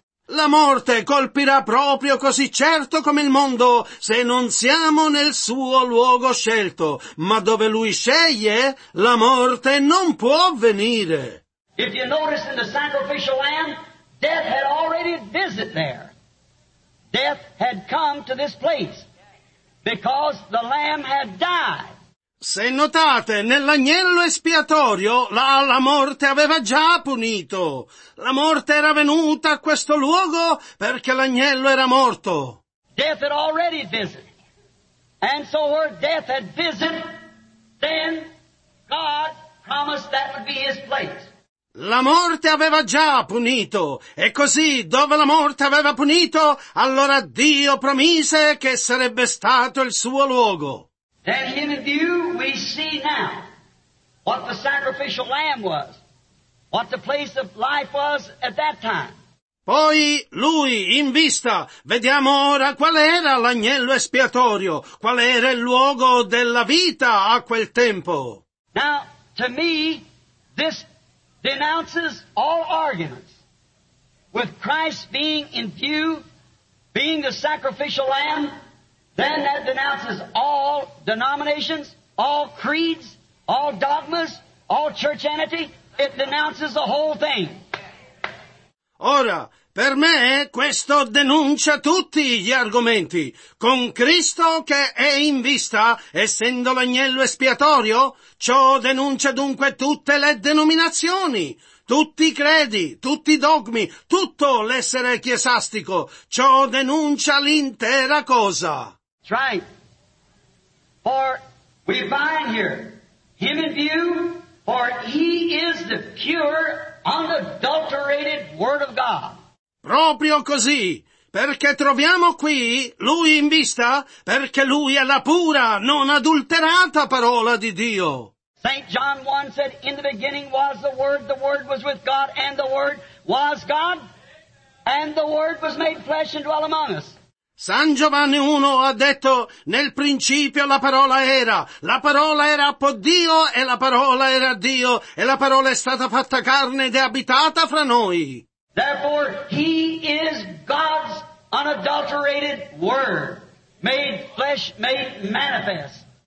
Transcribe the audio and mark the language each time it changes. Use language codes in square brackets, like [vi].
[it] La morte colpirà proprio così certo come il mondo se non siamo nel suo luogo scelto, ma dove lui sceglie, la morte non può venire. [en] If you notice in the sacrificial lamb, death had already visited there. Death had come to this place because the lamb had died. [it] Se notate, nell'agnello espiatorio, la morte aveva già punito. La morte era venuta a questo luogo perché l'agnello era morto. [en] Death had already visited. And so where death had visited, then God promised that would be his place. [it] La morte aveva già punito, e così dove la morte aveva punito, allora Dio promise che sarebbe stato il suo luogo. [en] And in view we see now what the sacrificial lamb was, what the place of life was at that time. [it] Poi lui, in vista, vediamo ora qual era l'agnello espiatorio, qual era il luogo della vita a quel tempo. [en] Now, to me, this denounces all arguments with Christ being in view, being the sacrificial lamb, then that denounces all denominations, all creeds, all dogmas, all churchianity. It denounces the whole thing. [it] Ora, per me, questo denuncia tutti gli argomenti. Con Cristo che è in vista, essendo l'agnello espiatorio, ciò denuncia dunque tutte le denominazioni, tutti i credi, tutti i dogmi, tutto l'essere ecclesiastico. Ciò denuncia l'intera cosa. [en] That's right. For we find here him in view, for he is the pure, unadulterated word of God. [it] Proprio così, perché troviamo qui lui in vista, perché lui è la pura, non adulterata parola di Dio. [en] St. John 1 said, in the beginning was the Word was with God, and the Word was God, and the Word was made flesh and dwelt among us. [it] San Giovanni 1 ha detto, nel principio la parola era con Dio, e la parola era Dio, e la parola è stata fatta carne ed è abitata fra noi. [en] Therefore, he is God's unadulterated word, made flesh, made manifest.